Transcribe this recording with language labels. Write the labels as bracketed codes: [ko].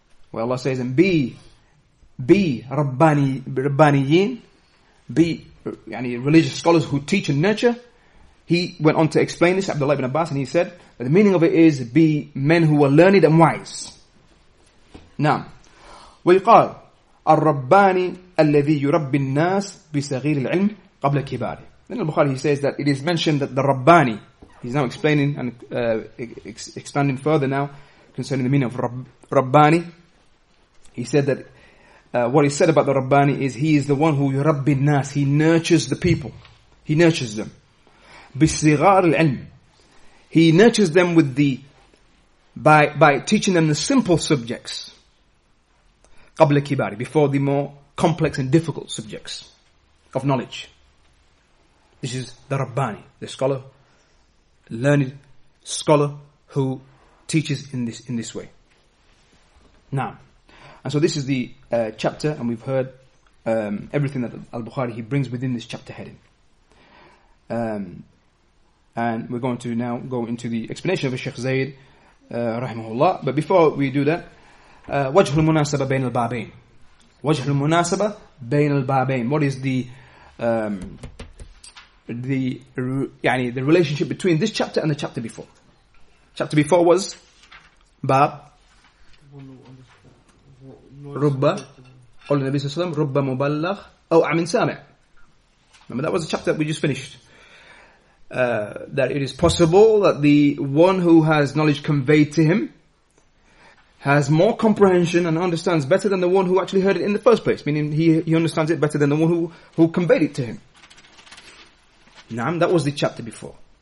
[en] Where Allah says, and be Rabbaniyin, be yani religious scholars who teach and nurture. He went on to explain this, Abdullah ibn Abbas, and he said that the meaning of it is be men who are learned and wise. [ar] Now, ويقال الرباني الذي يربي الناس بصغير العلم قبل كباره. [en] Then al-Bukhari, he says that it is mentioned that the Rabbani, he's now explaining and expanding further now concerning the meaning of Rabbani. He said that what he said about the Rabbani is he is the one who Rabbi Nas, he nurtures the people. He nurtures them. [ar] بِالصِّغَارِ الْعِلْمِ [en] He nurtures them with the by teaching them the simple subjects. [ar] قَبْلَ كِبَارِ [en] Before the more complex and difficult subjects of knowledge. This is the Rabbani, the scholar, learned scholar who teaches in this way. Now, and so this is the chapter, and we've heard everything that Al-Bukhari, he brings within this chapter heading. And we're going to now go into the explanation of Sheikh Zayd, rahimahullah. But before we do that, [ar] وجه المناسبة بين البابين. وجه المناسبة بين البابين. [en] What is the relationship between this chapter and the chapter before? Chapter before was [ar] Bab Rubba قول النبي صلى الله عليه وسلم Rubba مبلغ أو عمن سامع. [en] Remember that was the chapter that we just finished. That it is possible that the one who has knowledge conveyed to him has more comprehension and understands better than the one who actually heard it in the first place. Meaning he understands it better than the one who conveyed it to him. Naam, that was the chapter before.